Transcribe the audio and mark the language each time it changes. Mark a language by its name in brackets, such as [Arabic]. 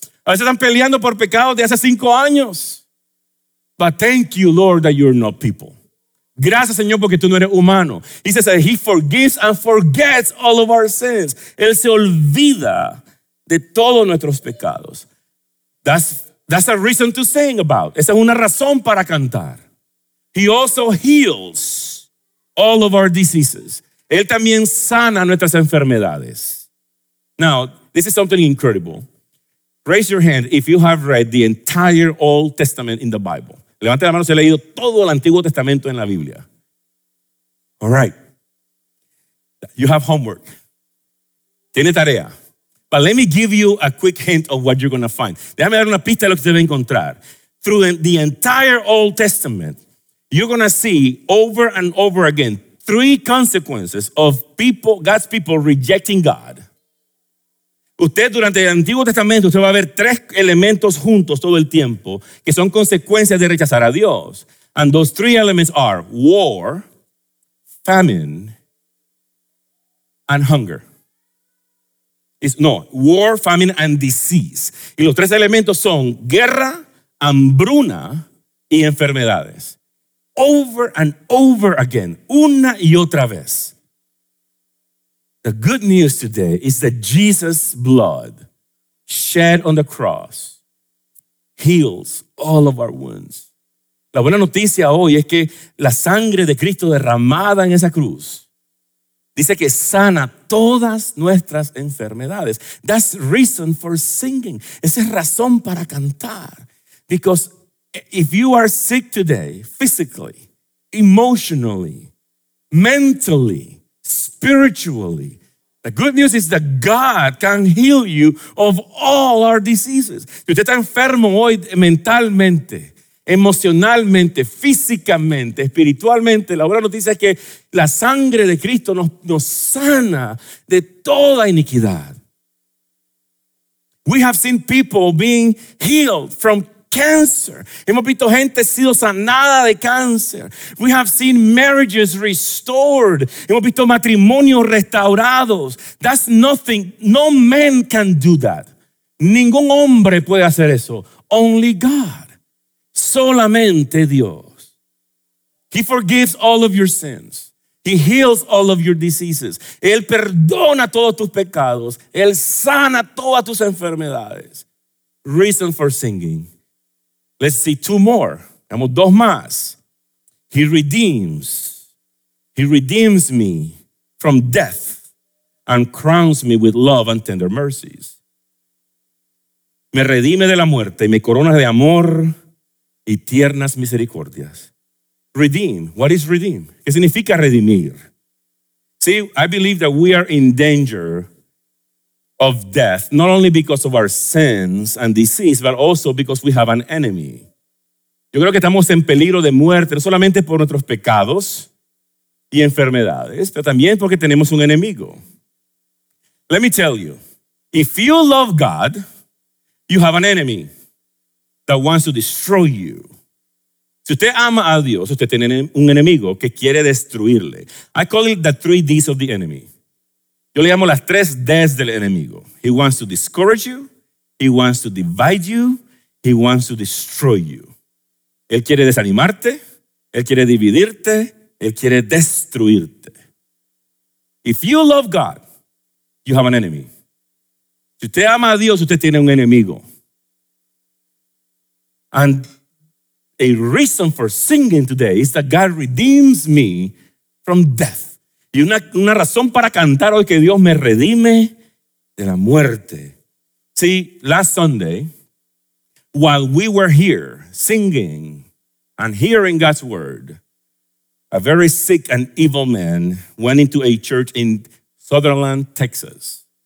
[Spanish] A veces están peleando por pecados de hace 5 años. [English] But thank you, Lord, that you're not people. [Spanish] Gracias, Señor, porque tú no eres humano. [English] He says that he forgives and forgets all of our sins. [Spanish] Él se olvida de todos nuestros pecados. [English] That's That's a reason to sing about. [Spanish] Esa es una razón para cantar. [English] He also heals all of our diseases. [Spanish] Él también sana nuestras enfermedades. [English] Now, this is something incredible. Raise your hand if you have read the entire Old Testament in the Bible. [Spanish] Levante la mano si ha leído todo el Antiguo Testamento en la Biblia. [English] All right. You have homework. [Spanish] Tiene tarea. [English] But let me give you a quick hint of what you're going to find. [Spanish] Déjame dar una pista de lo que se va a encontrar. [English] Through the entire Old Testament, you're going to see over and over again three consequences of people, God's people rejecting God. [Spanish] Usted durante el Antiguo Testamento, usted va a ver tres elementos juntos todo el tiempo que son consecuencias de rechazar a Dios. [English] And those three elements are war, famine, and hunger. War, famine, and disease. [Spanish] Y los tres elementos son guerra, hambruna, y enfermedades. [English] Over and over again, [Spanish] una y otra vez. [English] The good news today is that Jesus' blood shed on the cross heals all of our wounds. [Spanish] La buena noticia hoy es que la sangre de Cristo derramada en esa cruz dice que sana todas nuestras enfermedades. [English] That's reason for singing. [Spanish] Esa es razón para cantar. [English] Because if you are sick today, physically, emotionally, mentally, spiritually, the good news is that God can heal you of all our diseases. [Spanish] Si usted está enfermo hoy mentalmente, emocionalmente, físicamente, espiritualmente, la buena noticia es que la sangre de Cristo nos sana de toda iniquidad. [English] We have seen people being healed from cancer. [Spanish] Hemos visto gente sido sanada de cáncer. [English] We have seen marriages restored. [Spanish] Hemos visto matrimonios restaurados. [English] That's nothing. No man can do that. Ningún hombre puede hacer eso. Only God. [Spanish] Solamente Dios. [English] He forgives all of your sins. He heals all of your diseases. [Spanish] Él perdona todos tus pecados. Él sana todas tus enfermedades. [English] Reason for singing. Let's see two more. [Spanish] Vamos dos más. [English] He redeems. He redeems me from death and crowns me with love and tender mercies. [Spanish] Me redime de la muerte y me corona de amor y tiernas misericordias. [English] Redeem. What is redeem? [Spanish] ¿Qué significa redimir? [English] See, I believe that we are in danger of death, not only because of our sins and disease, but also because we have an enemy. [Spanish] Yo creo que estamos en peligro de muerte, no solamente por nuestros pecados y enfermedades, pero también porque tenemos un enemigo. [English] Let me tell you, if you love God, you have an enemy that wants to destroy you. [Spanish] Si usted ama a Dios, usted tiene un enemigo que quiere destruirle. [English] I call it the three D's of the enemy. [Spanish] Yo le llamo las tres D's del enemigo. [English] He wants to discourage you. He wants to divide you. He wants to destroy you. [Spanish] Él quiere desanimarte. Él quiere dividirte. Él quiere destruirte. [English] If you love God, you have an enemy. [Spanish] Si usted ama a Dios, usted tiene un enemigo. [English] And a reason for singing today is that God redeems me from death. [Spanish] Y una razón para cantar hoy que Dios me redime de la muerte. [English] See, last Sunday, while we were here singing and hearing God's word, a very sick and evil man went into a church in Sutherland, Texas.